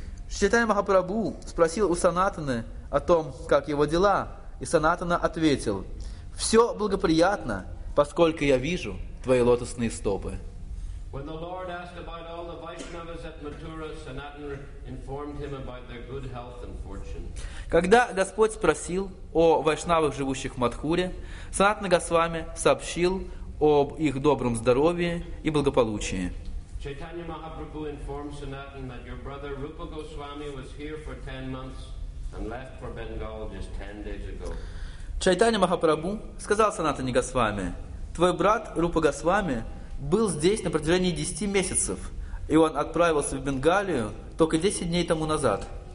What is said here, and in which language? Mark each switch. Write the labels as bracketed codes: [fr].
[ru] Чайтанья Махапрабху спросил у Санатаны о том, как его дела, и Санатана ответил, «Все благоприятно, поскольку я вижу твои лотосные стопы». [en] When the Lord asked about all the Vaishnavas at Mathura, Sanatan informed him about their good health and fortune. [ru] Когда Господь спросил о вайшнавах, живущих в Матхуре, Санатана Госвами сообщил об их добром здоровье и благополучии. [en] Chaitanya Mahaprabhu informed Sanatan that your brother Rupa Goswami was here for 10 months and left for Bengal just 10 days ago. [ru] Чайтанья Махапрабху сказал Санатане Госвами: "Твой брат Рупа Госвами был здесь на протяжении 10 месяцев, и он отправился в Бенгалию только 10 дней тому назад.